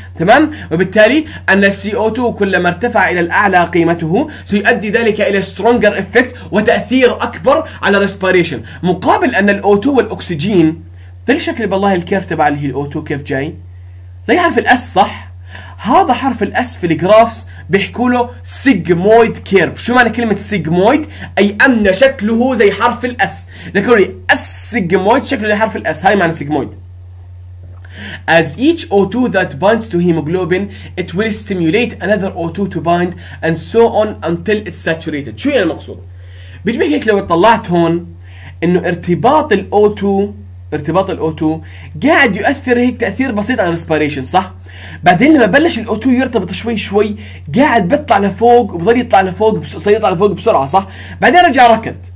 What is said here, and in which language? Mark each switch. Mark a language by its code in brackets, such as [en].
[ar] تمام وبالتالي ان السي او 2 كلما ارتفع الى الاعلى قيمته سيؤدي ذلك الى stronger effect وتاثير اكبر على الريسبيريشن مقابل ان الاو 2 والاكسجين طلع شكل بالله الكيرف تبع اللي هي الاو 2 كيف جاي زي حرف الاس صح. هذا حرف الاس في الجرافس بيحكوا له سيجمويد كيرف. شو معنى كلمه سيجمويد؟ اي ان شكله زي حرف الاس. ذكروا لي اس سيجمويد شكله زي حرف الاس, هاي معنى سيجمويد. [en] As each O2 that binds to hemoglobin it will stimulate another O2 to bind and so on until it's saturated. [ar] شو يعني المقصود؟ بيجي هيك لو طلعت هون انه ارتباط الO2 قاعد يؤثر هيك تاثير بسيط على الريسبيريشن صح؟ بعدين لما بلش الاو 2 يرتبط شوي قاعد بيطلع لفوق وبضل يطلع لفوق بصير يطلع لفوق بسرعه صح؟ بعدين رجع ركض.